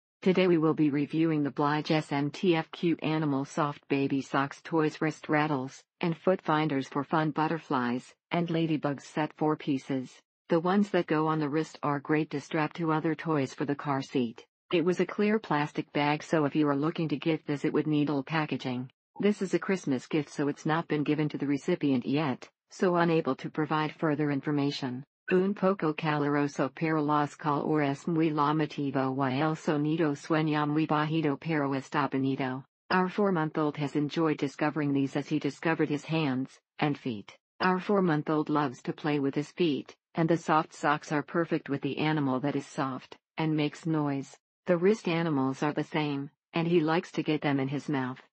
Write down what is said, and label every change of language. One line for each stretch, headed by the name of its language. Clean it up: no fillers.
English: Today we will be reviewing the Blige SMTF Cute Animal Soft Baby Socks Toys Wrist Rattles and Foot Finders for Fun Butterflies and Ladybugs set 4 pieces. The ones that go on the wrist are great to strap to other toys for the car seat. It was a clear plastic bag, so if you are looking to gift this, it would need needle packaging. This is a Christmas gift, so it's not been given to the recipient yet, so unable to provide further information.
Spanish: Un poco caloroso para los calores muy llamativo y el sonido suena muy bajito pero está bonito.
English: Our 4-month-old has enjoyed discovering these as he discovered his hands and feet. Our 4-month-old loves to play with his feet, and the soft socks are perfect with the animal that is soft and makes noise. The wrist animals are the same, and he likes to get them in his mouth.